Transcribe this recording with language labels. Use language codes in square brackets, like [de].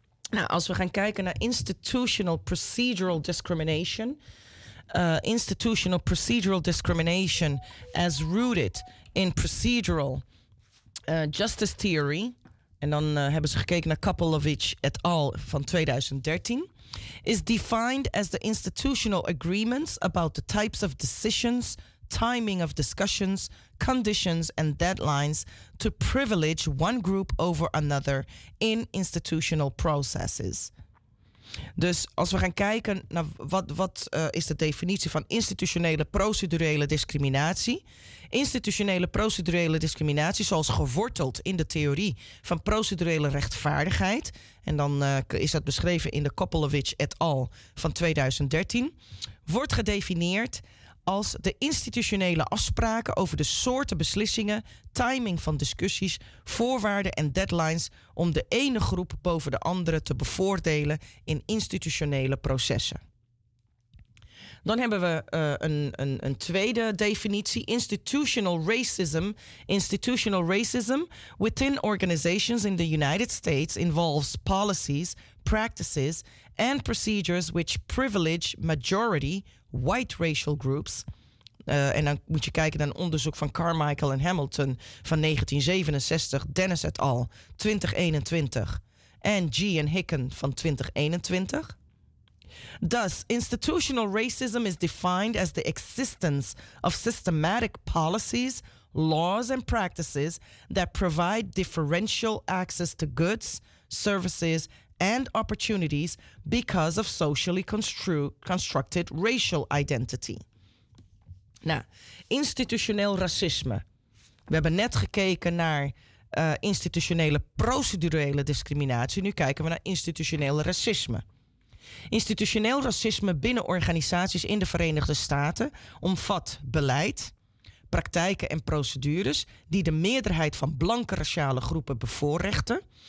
[nl] Nou, als we gaan kijken naar [en] institutional procedural discrimination. Institutional procedural discrimination as rooted in procedural justice theory. [nl] En dan hebben ze gekeken naar Kapilovich et al. Van 2013. [en] Is defined as the institutional agreements about the types of decisions, timing of discussions, conditions and deadlines to privilege one group over another in institutional processes. [nl] Dus als we gaan kijken naar wat is de definitie van institutionele procedurele discriminatie. Institutionele procedurele discriminatie zoals geworteld in de theorie van procedurele rechtvaardigheid. En dan is dat beschreven in de Kapilovich et al. Van 2013. Wordt gedefinieerd als de institutionele afspraken over de soorten beslissingen, timing van discussies, voorwaarden en deadlines om de ene groep boven de andere te bevoordelen in institutionele processen. Dan hebben we een tweede definitie. [en] Institutional racism. Institutional racism within organizations in the United States involves policies, practices and procedures which privilege majority white racial groups. [nl] En dan moet je kijken naar een onderzoek van Carmichael en Hamilton van 1967. Dennis et al, 2021. En G. en Hicken van 2021. [en] Thus, institutional racism is defined as the existence of systematic policies, laws and practices that provide differential access to goods, services and opportunities because of socially constructed racial identity. [nl] Nou, institutioneel racisme. We hebben net gekeken naar institutionele procedurele discriminatie. Nu kijken we naar institutioneel racisme. Institutioneel racisme binnen organisaties in de Verenigde Staten omvat beleid, praktijken en procedures die de meerderheid van blanke raciale groepen bevoorrechten.